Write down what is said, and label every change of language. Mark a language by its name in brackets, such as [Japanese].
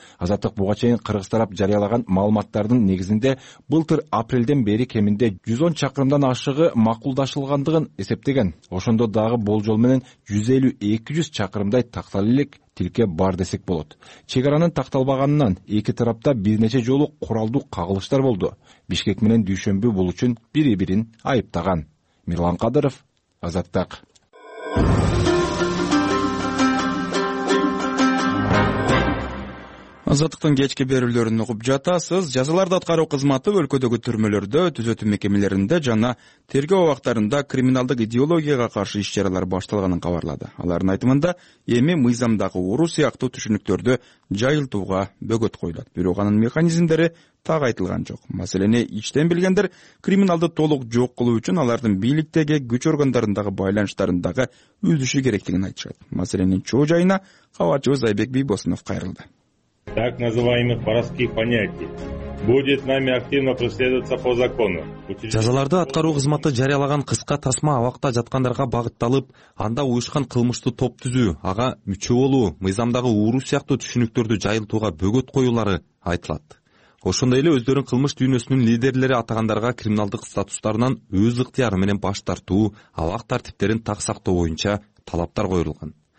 [Kyrgyz] Азаттык буга чейин кыргыз тарап жарыялаган маалыматтардын негизинде былтыр апрелден бери кеминде 110 чакырымдан ашыгы макулдашылгандыгын эсептеген. Ошондо дагы болжол менен 150-200 чакырымдай тактал элек тилке бар десек болот. Чек аранын такталбаганынан эки тарапта бир нече жолу куралдуу кагылыштар болду. Бишкек менен дүйшөмбү бул үчүн бири-бирин айыптаган. Мирлан Кадыров, Азаттык. Азаттыктын кечки берүүлөрүн угуп жатасыз. Жазаларды аткаруу кызматы өлкөдөгү түрмөлөрдө, түзөтүү мекемелеринде жана тергөө убактарында криминалдык идеологияга каршы иш-чаралар башталганын кабарлады. Алардын айтымында эми мыйзамдагы уру сыяктуу түшүнүктөрдү жайылтууга бөгөт коюлат. Бирок анын механизмдери так айтылган жок. Маселени ичтен билгендер криминалды толук жок кылуу үчүн алардын бийликтеги күч органдарындагы байланыштарындагы үзүшү керектигин айтышат. Маселенин чоо жайына кабарчыбыз Айбек Бийбосунов кайрылды. [Russian] Так называемых воровских понятий будет нами активно преследоваться по закону. [Kyrgyz] Жазаларды аткаруу кызматы жарыялаган кыска тасма абакта жаткандарга багытталып, анда уюшкан кылмышты топ түзүү, ага мүчө болуу, мыйзамдагы уруу сыяктуу түшүнүктөрдү жайылтууга бөгөт коюулары айтылат. Ошондой эле өздөрүн кылмыш дүйнөсүнүн лидерлери атагандарга криминалдык статустарынан өз ыктыяры менен баш тартуу, абак тартиптерин так сактоо боюнча талаптар коюлган.